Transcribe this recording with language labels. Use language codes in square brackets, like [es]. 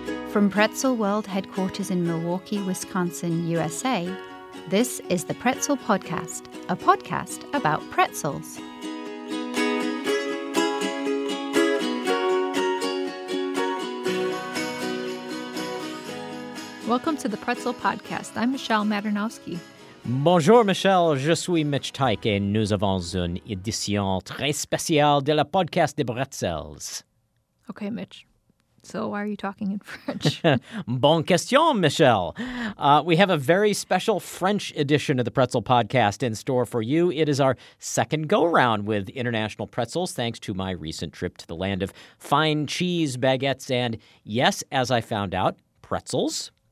[en] From Pretzel World headquarters in Milwaukee, Wisconsin, USA, this is the Pretzel Podcast, a podcast about pretzels. Welcome to the Pretzel Podcast. I'm Michelle Maternowski. [fr] Bonjour, Michelle. Je suis Mitch Tyke, et nous avons une édition très spéciale de la podcast de pretzels. [en] Okay, Mitch. So why are you talking in French? [fr] Bonne question, Michelle. [en] We have a very special French edition of the Pretzel Podcast in store for you. It is our second go-round with international pretzels, thanks to my recent trip to the land of fine cheese, baguettes, and yes, as I found out, pretzels.